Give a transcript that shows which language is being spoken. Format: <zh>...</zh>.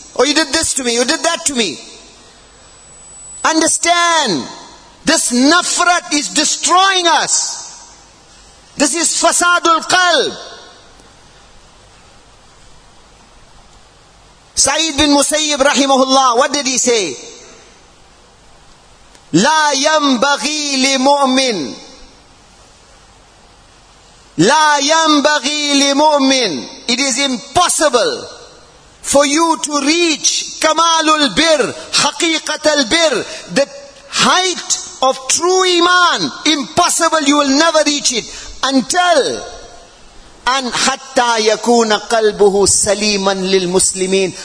<en>Or you did this to me, you did that to me. Understand, this nafrat is destroying us. This is fasadul qalb. Sa'id bin Musayyib rahimahullah, what did he say?</en> <ar>لا ينبغي لمؤمن لا ينبغي لمؤمن.</ar> <en>It is impossible for you to reach</en> <ar>كمال البر حقيقة البر,</ar> <en>the height of true iman. Impossible, you will never reach it until</en> <ar>أن حتى يكون قلبه سليما للمسلمين.</ar>